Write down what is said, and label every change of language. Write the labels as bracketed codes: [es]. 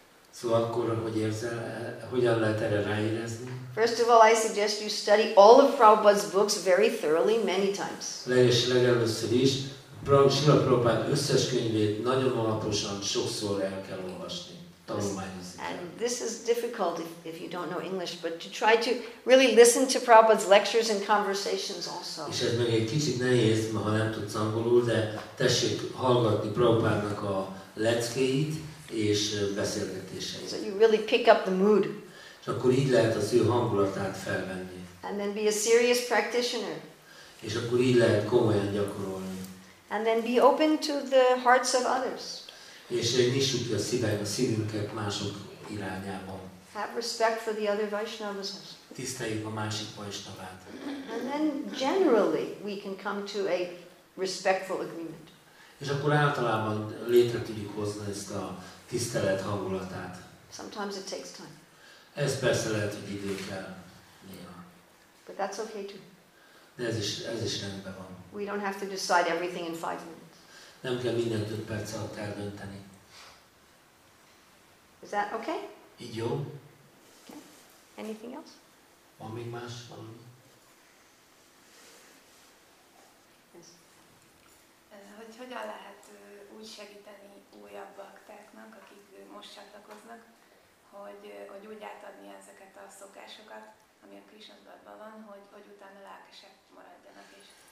[hu] Szóval akkor hogy érzel, hogyan lehet erre ráérezni? [en] First of all, I suggest you study all of Prabhupada's books very thoroughly, many times. [hu] Legelőször is, Srila Prabhupád összes könyvét nagyon alaposan, sokszor el kell olvasni, tanulmányozni. [en] And this is difficult if you don't know English, but to try to really listen to Prabhupada's lectures and conversations also. [hu] És ez meg egy kicsit nehéz, ha nem tudsz angolul, de tessék hallgatni Prabhupádnak a leckéit és beszélgetéseit. [en] So you really pick up the mood. [hu] És akkor így lehet az ő hangulatát felvenni. [en] And then be a serious practitioner. [hu] És akkor így lehet komolyan gyakorolni. [en] And then be open to the hearts of others. [hu] És nyissuk a szívünket mások irányába. [en] Have respect for the other Vaishnavas. [hu] Tiszteljük a másik Vaishnavát. [en] And then generally we can come to a respectful agreement. [hu] És akkor általában létre tudjuk hozni ezt a tisztelet hangulatát. [en] Sometimes it takes time. [hu] Ez persze lehet, hogy idő kell néha. [en] But that's okay too. [hu] De ez is rendben van. [en] We don't have to decide everything in 5 minutes. [hu] Nem kell mindent 5 perc alatt eldönteni. [en] Is that okay? [hu] Így jó. [en] Okay. Anything else? [hu] Van még más valami? [en] Yes. [hu] Hogy hogyan lehet úgy segíteni újabb baktáknak, akik most csatlakoznak, hogy úgy átadni ezeket a szokásokat, ami a Krishna tudatban van, hogy utána lelkesek maradjanak is.